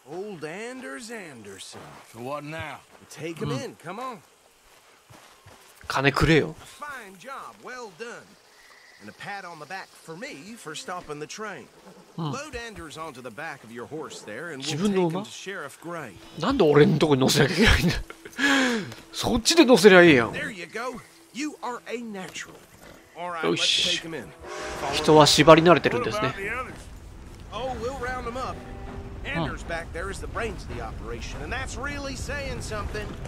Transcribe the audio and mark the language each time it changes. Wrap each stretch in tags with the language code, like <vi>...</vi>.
<en>Old Anders Anderson. So what now? Take him in. Come on.</en> <ja>金くれよ。</ja> <en>A fine job. Well done. And a pat on the back for me for stopping the train. Load Anders onto the back of your horse there and we'll take him to Sheriff Gray.</en> <ja>なんで俺のとこに乗せなきゃいけないんだ。そっちで乗せりゃいいやん。</ja> <en>There you go. You are a natural.</en> <ja>よし。人は縛り慣れてるんですね。</ja> <en>Oh, we'll round them up. Anders back there is the brains of the operation, and that's really saying something.</en>